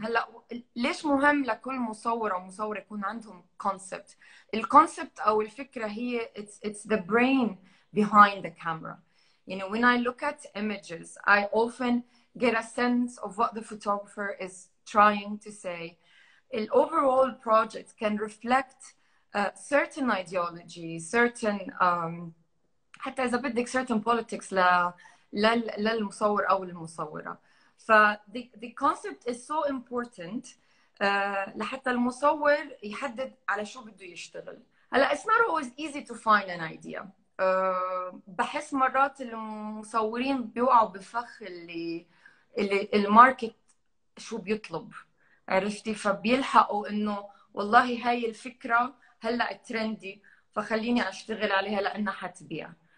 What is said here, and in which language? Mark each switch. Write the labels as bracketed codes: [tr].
[ar] هلا ليش مهم لكل مصور أو مصورة يكون عندهم concept؟ الconcept أو الفكرة هي [en] it's the brain behind the camera. You know, when I look at images, I often get a sense of what the photographer is trying to say. The overall project can reflect certain ideology, certain [ar] حتى إذا بدك [en] certain politics [ar] للمصور أو المصورة. [en] فthe concept is so important [ar] لحتى المصور يحدد على شو بده يشتغل. [en] هلا it's not always easy to find an idea. [ar] بحس مرات المصورين بيوقعوا بفخ اللي الماركت شو بيطلب, عرفتي؟ فبيلحقوا انه والله هاي الفكرة هلا ترندي فخليني اشتغل عليها لانها حتبيع.